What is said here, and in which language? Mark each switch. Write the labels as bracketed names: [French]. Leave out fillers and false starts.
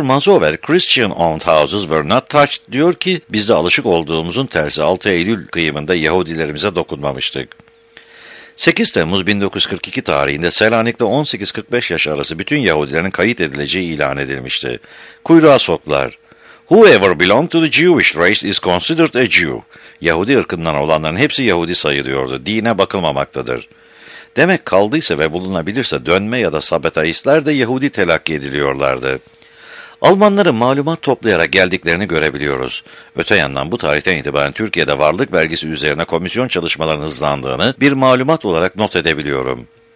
[Turkish] Mazover, [English] Christian owned houses were not touched [Turkish] diyor ki bizde alışık olduğumuzun tersi 6 Eylül kıyımında Yahudilerimize dokunmamıştık. 8 Temmuz 1942 tarihinde Selanik'te 18-45 yaş arası bütün Yahudilerin kayıt edileceği ilan edilmişti. Kuyruğa soklar. [English] Whoever belong to the Jewish race is considered a Jew. [Turkish] Yahudi ırkından olanların hepsi Yahudi sayılıyordu. Dine bakılmamaktadır. Demek kaldıysa ve bulunabilirse dönme ya da sabataistler de Yahudi telakki ediliyorlardı. Almanların malumat toplayarak geldiklerini görebiliyoruz. Öte yandan bu tarihten itibaren Türkiye'de varlık vergisi üzerine komisyon çalışmalarının hızlandığını bir malumat olarak not edebiliyorum.